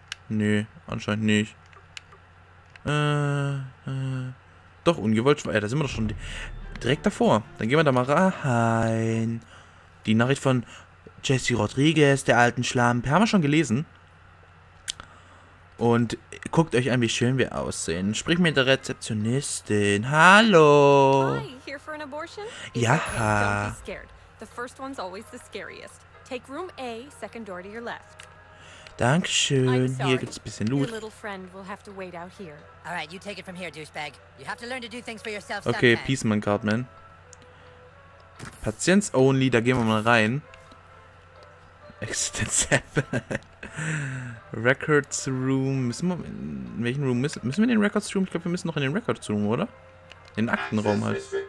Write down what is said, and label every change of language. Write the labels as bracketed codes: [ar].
[de] Nö, anscheinend nicht. Doch, ungewollt schwanger. Ja, da sind wir doch schon direkt davor. Dann gehen wir da mal rein. Die Nachricht von Jesse Rodriguez, der alten Schlampe, haben wir schon gelesen. Und guckt euch an, wie schön wir aussehen. Sprich mit der Rezeptionistin. Hallo. [en] Hi, here for an abortion? [de] Ja. [en] Don't be scared. The first one's always the scariest. Take room A, second door to your left. [de] Dankeschön. Hier gibt's ein bisschen Loot. [en] Your little friend will have to wait out here. All right, you take it from here, douchebag. You have to learn to do things for yourself. Okay, peace, [de] mein Cartman. [en] Patients only, [de] da gehen wir mal rein. Records Room. Müssen wir in welchen Room? Müssen wir in den Records Room? Ich glaube, wir müssen noch in den Records Room, oder? In den Aktenraum halt.